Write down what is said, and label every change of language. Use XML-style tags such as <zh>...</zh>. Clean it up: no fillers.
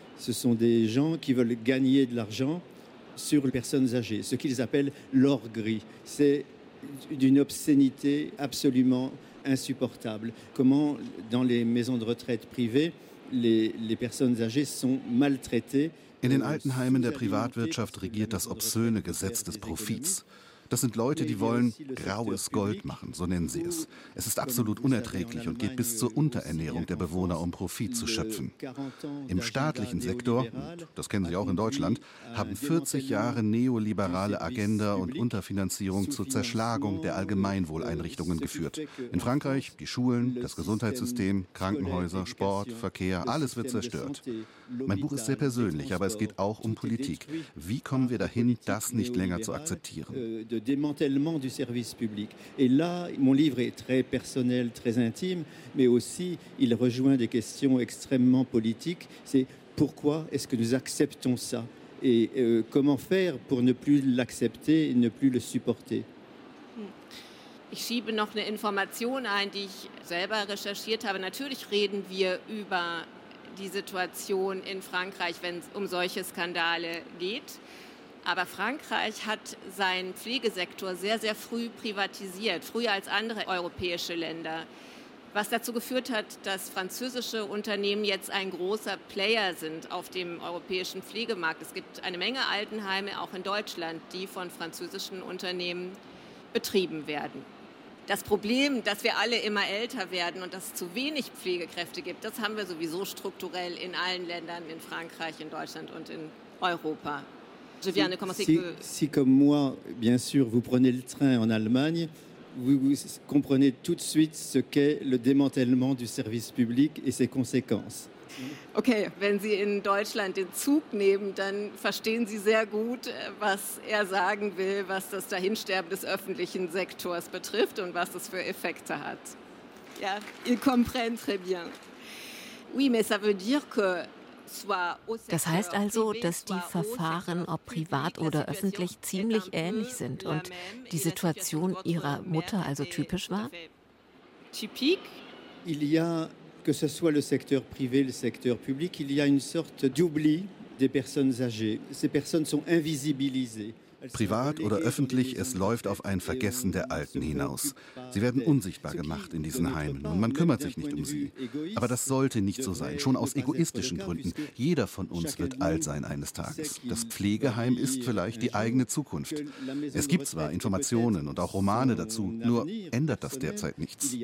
<fr>Ce sont des gens qui veulent gagner de l'argent sur les personnes âgées, ce qu'ils appellent l'or gris. C'est d'une obscénité absolument insupportable. Comment, dans les maisons de retraite privées, les personnes âgées sont maltraitées?</fr> <de>In den alten Heimen der Privatwirtschaft regiert das obszöne Gesetz des Profits. Das sind Leute, die wollen graues Gold machen, so nennen sie es. Es ist absolut unerträglich und geht bis zur Unterernährung der Bewohner, um Profit zu schöpfen. Im staatlichen Sektor, und das kennen Sie auch in Deutschland, haben 40 Jahre neoliberale Agenda und Unterfinanzierung zur Zerschlagung der Allgemeinwohleinrichtungen geführt. In Frankreich die Schulen, das Gesundheitssystem, Krankenhäuser, Sport, Verkehr, alles wird zerstört. Mein Buch ist sehr persönlich, aber es geht auch um Politik. Wie kommen wir dahin, das nicht länger zu akzeptieren?</de> <fr>De démantèlement du service public. Et là, mon livre est très personnel, très intime, mais aussi il rejoint des questions extrêmement politiques. C'est pourquoi est-ce que nous acceptons ça? Et comment faire pour ne plus l'accepter et ne plus le supporter?</fr> <de>Ich schiebe noch eine Information ein, die ich selber recherchiert habe. Natürlich reden wir über die Situation in Frankreich, wenn es um solche Skandale geht. Aber Frankreich hat seinen Pflegesektor sehr, sehr früh privatisiert, früher als andere europäische Länder. was dazu geführt hat, dass französische Unternehmen jetzt ein großer Player sind auf dem europäischen Pflegemarkt. Es gibt eine Menge Altenheime, auch in Deutschland, die von französischen Unternehmen betrieben werden. Das Problem, dass wir alle immer älter werden und dass es zu wenig Pflegekräfte gibt, das haben wir sowieso strukturell in allen Ländern, in Frankreich, in Deutschland und in Europa.</de> <fr>Je viens de commencer que... Si comme moi, bien sûr, vous prenez le train en Allemagne, vous comprenez tout de suite ce qu'est le démantèlement du service public et ses conséquences.</fr> <de>Okay, wenn Sie in Deutschland den Zug nehmen, dann verstehen Sie sehr gut, was er sagen will, was das Dahinsterben des öffentlichen Sektors betrifft und was das für Effekte hat.</de> <fr>Ja, ils comprennent très bien. Oui, mais ça veut dire que...</fr> <de>Das heißt also, dass die Verfahren, ob privat oder öffentlich, ziemlich ähnlich sind und die Situation ihrer Mutter also typisch war?</de> <fr>Il y a, que ce soit le secteur privé, le secteur public, il y a une sorte d'oubli des personnes âgées. Ces personnes sont invisibilisées.</fr> <de>Privat oder öffentlich, es läuft auf ein Vergessen der Alten hinaus. Sie werden unsichtbar gemacht in diesen Heimen und man kümmert sich nicht um sie. Aber das sollte nicht so sein, schon aus egoistischen Gründen. Jeder von uns wird alt sein eines Tages. Das Pflegeheim ist vielleicht die eigene Zukunft. Es gibt zwar Informationen und auch Romane dazu, nur ändert das derzeit nichts.</de>